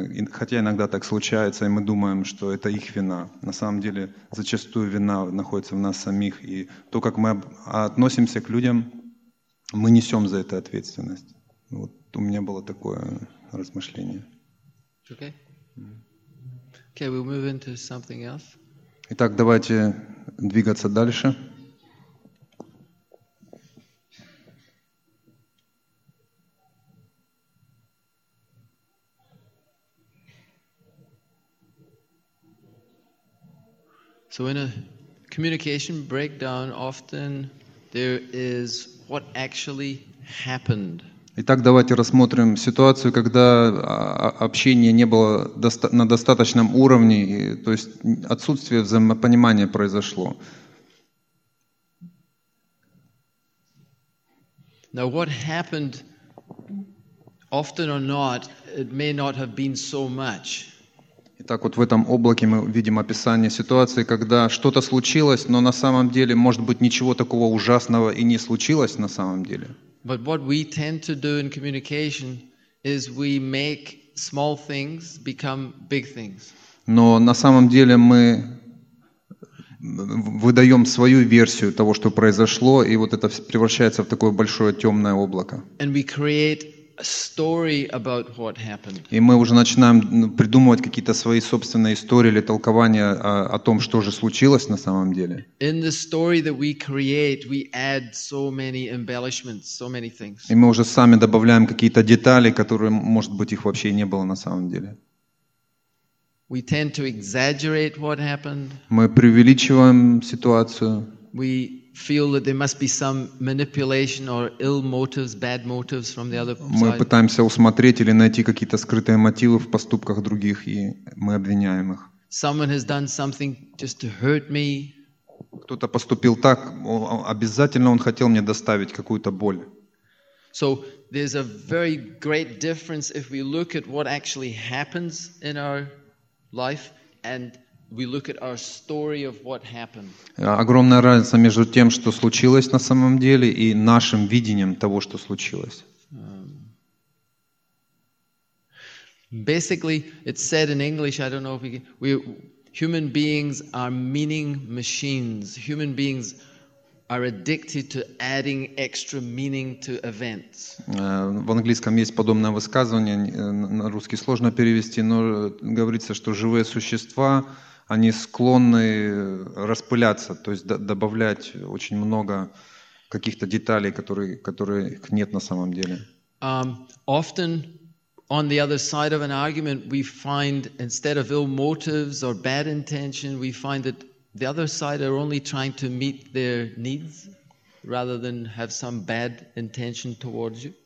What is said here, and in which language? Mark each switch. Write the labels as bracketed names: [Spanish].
[Russian] Хотя иногда так случается, и мы думаем, что это их вина. На самом деле зачастую вина находится в нас самих. И то, как мы относимся к людям, мы несем за это ответственность. Вот у меня было такое размышление. [English] Okay. Okay, we'll move into something else. [Russian] Итак, давайте двигаться дальше. [English] So in a communication breakdown, often there is what actually happened. [Russian] Итак, давайте рассмотрим ситуацию, когда общение не было на достаточном уровне, то есть отсутствие взаимопонимания произошло. [English] Now what happened, often or not, it may not have been so much. [Russian] Итак, вот в этом облаке мы видим описание ситуации, когда что-то случилось, но на самом деле, может быть, ничего такого ужасного и не случилось на самом деле. [English] But what we tend to do in communication is we make small things become big things. [Russian] Но на самом деле мы выдаем свою версию того, что произошло, и вот это превращается в такое большое темное облако. [English] And we create a story about what happened. [Russian] И мы уже начинаем придумывать какие-то свои собственные истории или толкования о том, что же случилось на самом деле. [English] In the story that we create, we add so many embellishments, so many things. [Russian] И мы уже сами добавляем какие-то детали, которые, может быть, их вообще не было на самом деле. [English] We tend to exaggerate what happened. [Russian] Мы преувеличиваем ситуацию. [English] We feel that there must be some manipulation or ill motives, bad motives from the other side. [Russian] Мы пытаемся усмотреть или найти какие-то скрытые мотивы в поступках других, и мы обвиняем их. [English] Someone has done something just to hurt me. [Russian] Кто-то поступил так, обязательно он хотел мне доставить какую-то боль. [English] So there's a very great difference if we look at what actually happens in our life and we look at our story of what happened. [Russian] Огромная разница между тем, что случилось на самом деле, и нашим видением того, что случилось. [English] Basically, it's said in English, I don't know if we human beings are meaning machines. Human beings are addicted to adding extra meaning to events. [Russian] В английском есть подобное высказывание, на русский сложно перевести, но говорится, что живые существа, они склонны распыляться, то есть добавлять очень много каких-то деталей, которых нет на самом деле. [English] Often on the other side of an argument, we find instead of ill motives or bad intention, we find that the other side are only trying to meet their needs rather than have some bad intention towards you.